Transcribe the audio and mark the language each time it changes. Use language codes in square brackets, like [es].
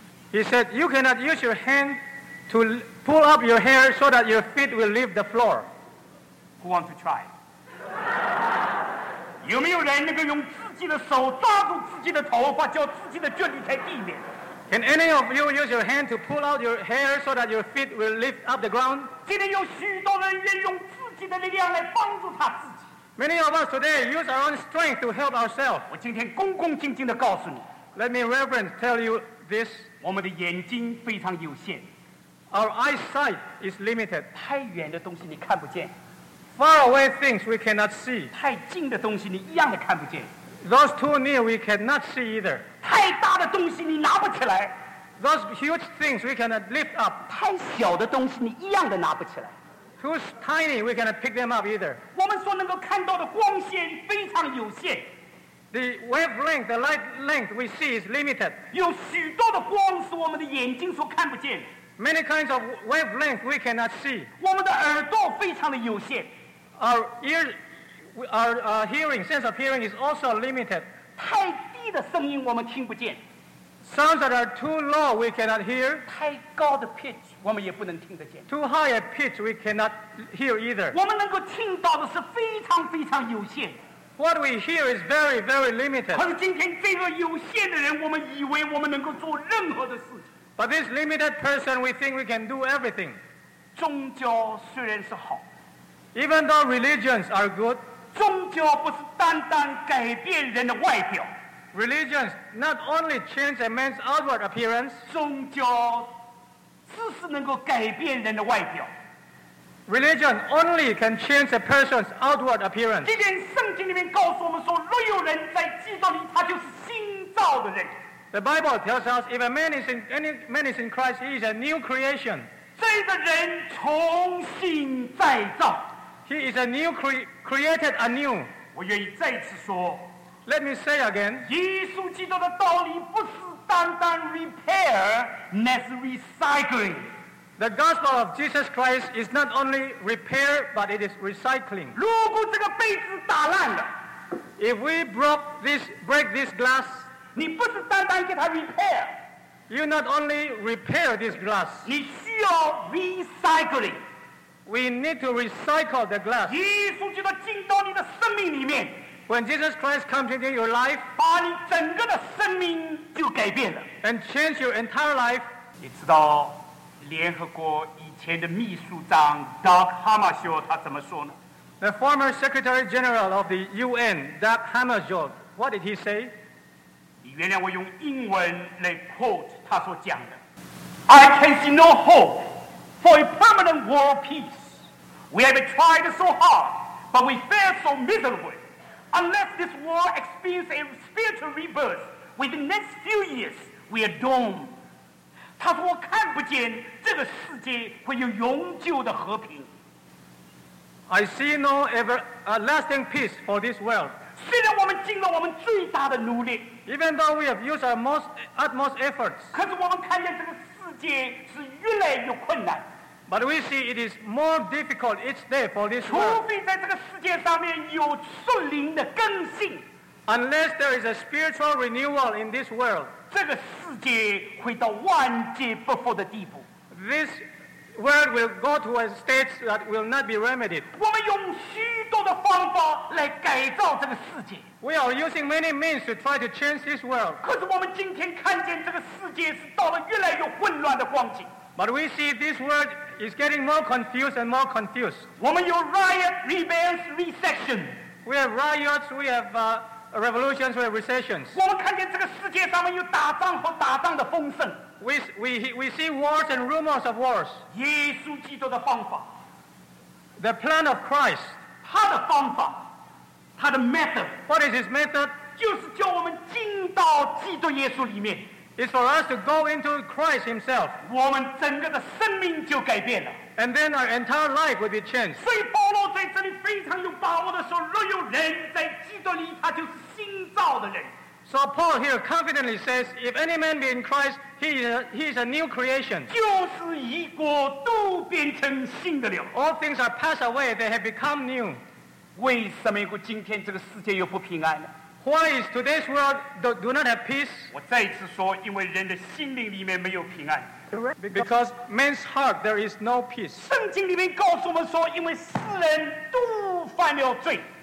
[en] He said, you cannot use your hand to pull up your hair so that your feet will leave the floor. Who wants to try? [zh] 有没有人能够用自己的手抓住自己的头发，叫自己的脚离开地面？ [en] Can any of you use your hand to pull out your hair so that your feet will lift up the ground? [zh] 今天有许多人愿用自己的力量来帮助他自己。 [en] Many of us today use our own strength to help ourselves. [zh] 我今天恭恭敬敬地告诉你。 [en] Let me reverently tell you this. [zh] 我们的眼睛非常有限。 [en] Our eyesight is limited. [zh] 太远的东西你看不见。 [en] Far away things we cannot see. [zh] 太近的东西你一样的看不见。 [en] Those too near we cannot see either. [zh] 太大的东西你拿不起来。 [en] Those huge things we cannot lift up. [zh] 太小的东西你一样的拿不起来。 [en] Too tiny we cannot pick them up either. [zh] 我们所能够看到的光线非常有限。 [en] The wavelength, the light length we see is limited. [zh] 有许多的光是我们的眼睛所看不见。 [en] Many kinds of wavelength we cannot see. [zh] 我们的耳朵非常的有限。 [en] Our hearing, sense of hearing is also limited. [zh] 太低的声音我们听不见。 [en] Sounds that are too low we cannot hear. [zh] 太高的 pitch 我们也不能听得见。 [en] Too high a pitch we cannot hear either. [zh] 我们能够听到的是非常非常有限。 [en] What we hear is very, very limited. [zh] 可是今天这个有限的人，我们以为我们能够做任何的事情。 [en] But this limited person, we think we can do everything. [zh] 宗教虽然是好。 [en] Even though religions are good. [zh] 宗教不是单单改变人的外表。 [en] Religions not only change a man's outward appearance. [zh] 宗教只是能够改变人的外表。 [en] Religion only can change a person's outward appearance. [zh] 今天圣经里面告诉我们说，若有人在基督里，他就是新造的人。 [en] The Bible tells us if any man is in Christ, he is a new creation. [zh] 这个人重新再造。 [en] He is a new created anew. [zh] 我愿意再次说。 [en] Let me say again. [zh] 耶稣基督的道理不是单单 repair， 那是 recycling。 [en] The gospel of Jesus Christ is not only repair, but it is recycling。 [zh] 如果这个杯子打烂了 [en] ，if we break this glass， [zh] 你不是单单给它 repair， [en] you not only repair this glass， [zh] 你需要 recycling。 [en] We need to recycle the glass。 [zh] 耶稣基督进到你的生命里面。 [en] When Jesus Christ comes into your life， [zh] 把你整个的生命就改变了 [en] ，and change your entire life。 [zh] 你知道联合国以前的秘书长 Doug Hammarskjöld 他怎么说呢 [en] ？The former Secretary General of the UN, Doug Hammarskjöld, what did he say？ [zh] 你原谅我用英文来 quote 他所讲的 ： [en] I can see no hope for a permanent world peace. We have tried so hard, but we fail so miserably. Unless this war experiences a spiritual rebirth within the next few years, we are doomed. [zh] 他说我看不见这个世界会有永久的和平。 [en] I see no ever lasting peace for this world. [zh] 虽然我们尽了我们最大的努力 [en] ，Even though we have used our utmost efforts， [zh] 可是我们看见这个世界是越来越困难。 [en] But we see it is more difficult each day for this world. [zh] 除非在这个世界上面有属灵的更新。 [en] Unless there is a spiritual renewal in this world. [zh] 这个世界会到万劫不复的地步。 [en] This world will go to a state that will not be remedied. [zh] 我们用许多的方法来改造这个世界。 [en] We are using many means to try to change this world. [zh] 可是我们今天看见这个世界是到了越来越混乱的光景。 [en] But we see this world is getting more confused and more confused. [zh] 我们有 [en] riot, rebellion, recession. We have riots, we have revolutions, we have recessions. [zh] 我们看见这个世界上面有打仗和打仗的风声。 [en] We see wars and rumors of wars. [zh] 耶稣基督的方法。 [en] The plan of Christ. [zh] 他的方法。他的 method. [en] What is his method? [zh] 就是叫我们进到基督耶稣里面。 [en] It's for us to go into Christ himself. [zh] 我们整个的生命就改变了。 [en] And then our entire life will be changed. [zh] 所以保罗在这里非常有把握地说，若有人在基督里，他就是新造的人。 [en] So Paul here confidently says, if any man be in Christ, he is a new creation. [zh] 旧事已过，都变成新的了。 [en] All things are passed away, they have become new. [zh] 为什么今天这个世界又不平安呢？ [en] Why is today's world do not have peace? [zh] 我再一次说，因为人的心灵里面没有平安。 [en] Because man's heart there is no peace. [zh] 圣经里面告诉我们说，因为世人都犯了罪。